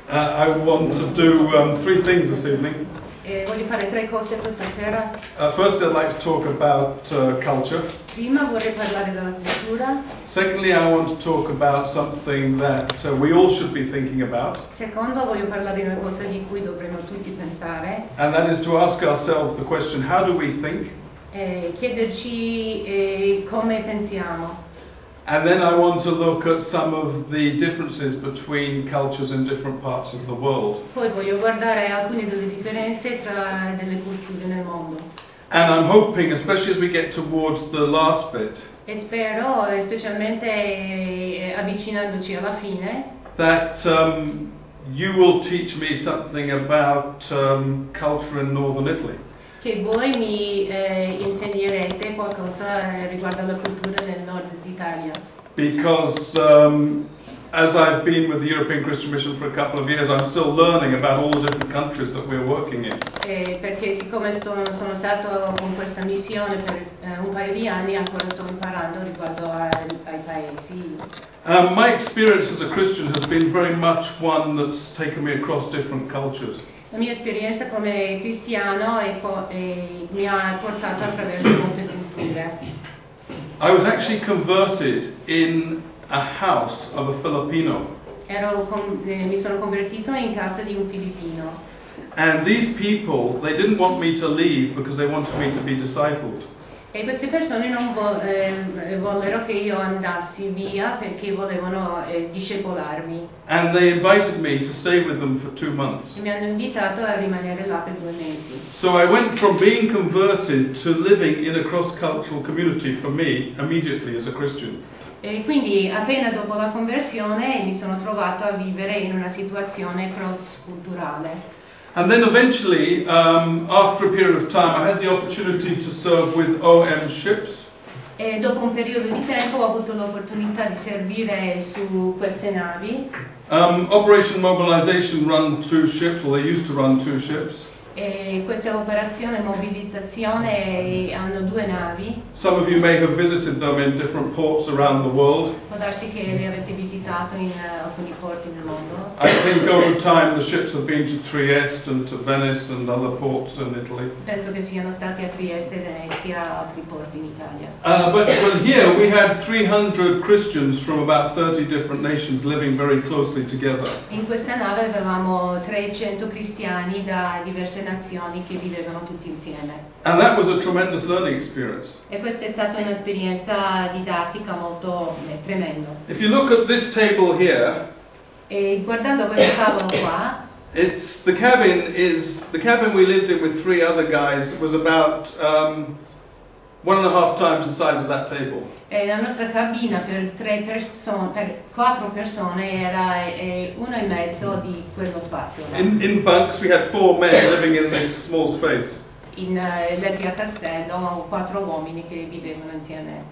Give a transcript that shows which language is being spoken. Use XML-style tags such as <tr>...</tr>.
<en>I want to do three things this evening.</en> <it>Voglio fare tre cose questa sera.</it> <en>First, I'd like to talk about culture.</en> <it>Prima vorrei parlare della cultura.</it> <en>Secondly, I want to talk about something that we all should be thinking about.</en> <it>Secondo, voglio parlare di una cosa di cui dovremmo tutti pensare.</it> <en>And that is to ask ourselves the question: how do we think?</en> <it>Chiederci come pensiamo.</it> <en>And then I want to look at some of the differences between cultures in different parts of the world.</en> <it>Poi voglio guardare alcune delle differenze tra delle culture nel mondo.</it> <en>And I'm hoping, especially as we get towards the last bit,</en> <it>E spero, specialmente avvicinandoci alla fine,</it> <en>that you will teach me something about culture in Northern Italy.</en> <it>Che voi mi insegnerete qualcosa riguardo alla cultura del nord d'Italia.</it> <en>Because as I've been with the European Christian Mission for a couple of years, I'm still learning about all the different countries that we're working in.</en> <it>Perché siccome sono stato con questa missione per un paio di anni, ancora sto imparando riguardo ai paesi.</it> <en>My experience as a Christian has been very much one that's taken me across different cultures.</en> <it>La mia esperienza come cristiano mi ha portato attraverso molte culture.</it> <en>I was actually converted in a house of a Filipino.</en> <it>Mi sono convertito in casa di un filippino.</it> <en>And these people, they didn't want me to leave because they wanted me to be discipled.</en> <it>E queste persone non vollero che io andassi via perché volevano discepolarmi.</it> <en>And they invited me to stay with them for 2 months.</en> <it>E mi hanno invitato a rimanere là per 2 mesi.</it> <en>So I went from being converted to living in a cross-cultural community for me immediately as a Christian.</en> <it>E quindi appena dopo la conversione mi sono trovato a vivere in una situazione cross-culturale.</it> <en>And then eventually, after a period of time, I had the opportunity to serve with OM ships.</en> <it>E dopo un periodo di tempo ho avuto l'opportunità di servire su queste navi.</it> <en>Operation Mobilization run 2 ships, or they used to run 2 ships.</en> <it>E questa operazione mobilizzazione hanno 2 navi.</it> <en>Some of you may have visited them in different ports around the world.</en> <it>Può darsi che li avete visitato in alcuni porti nel mondo.</it> <en>I think over time the ships have been to Trieste and to Venice and other ports in Italy.</en> <it>Penso che siano stati a Trieste, Venezia, altri porti in Italia.</it> <en>But here we had 300 Christians from about 30 different nations living very closely together.</en> <it>In questa nave avevamo 300 cristiani da diversi nazioni che vivevano tutti insieme.</it> <en>And that was a tremendous learning experience.</en> <it>E questa è stata un'esperienza didattica molto tremenda.</it> <en>If you look at this table here,</en> <it>e guardando questo tavolo qua,</it> <en>the cabin we lived in with 3 other guys was about 1.5 times the size of that table.</en> <it>E la nostra cabina per quattro persone era 1.5 di quello spazio.</it> <en>In bunks we had 4 men living in this small space.</en> <it>In letti a castello 4 uomini che vivevano insieme.</it>